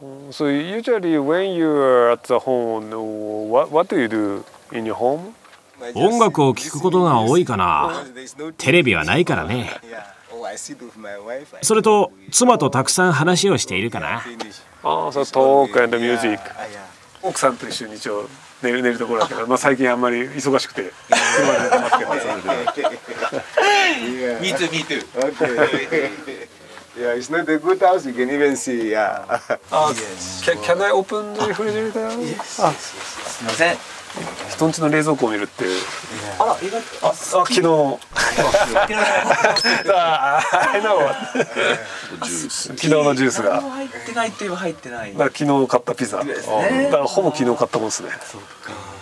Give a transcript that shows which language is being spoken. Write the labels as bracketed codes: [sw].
[en] So usually when you are at the home, what do you do in your home? [ja] 音楽を聴くことが多いかな。テレビはないからね。それと妻とたくさん話をしているかな。 [en] So talk and music. [ja] 奥さんと一緒に一応寝るところだけど、まあ、最近あんまり忙しくて車で寝てますけど。 [en] Me too, me too. Yeah, it's not a good house. You can even see. Yeah. Can I open the refrigerator? Yes. Yes. Yes. [ja] 人んちの冷蔵庫を見るっていう。 [en] Yeah. あら、 [ja] 意外と。あ、昨日。 [en] I know. [ja] ジュース。昨日のジュースが。入ってないといえば入ってない。だから昨日買ったピザ。ですね。だからほぼ昨日買ったもんですね。そっか。